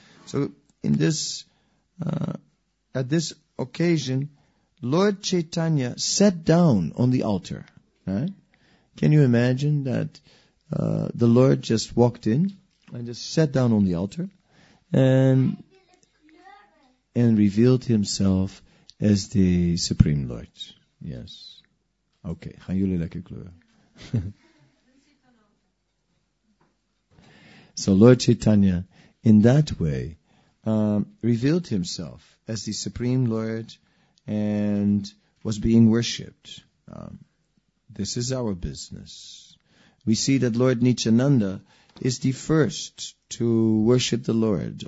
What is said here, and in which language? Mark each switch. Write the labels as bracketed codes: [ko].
[en] So, in this, at this occasion, Lord Chaitanya sat down on the altar. Right? Can you imagine that the Lord just walked in and just sat down on the altar and revealed himself as the Supreme Lord? Yes. Okay. [nl] Gaan jullie lekker kleuren. [en] So Lord Chaitanya, in that way, revealed himself as the Supreme Lord and was being worshipped. This is our business. We see that Lord Nityananda is the first to worship the Lord.